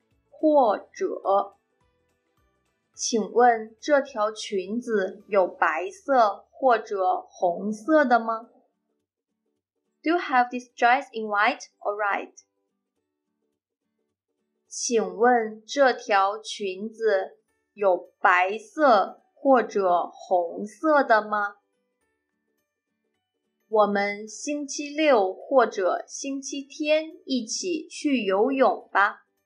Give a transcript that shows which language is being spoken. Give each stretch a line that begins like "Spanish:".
Chinese: 或者，请问这条裙子有白色或者红色的吗？
English: Do you have this dress in white or red?
Chinese: 请问这条裙子有白色或者红色的吗？我们星期六或者星期天一起去游泳吧。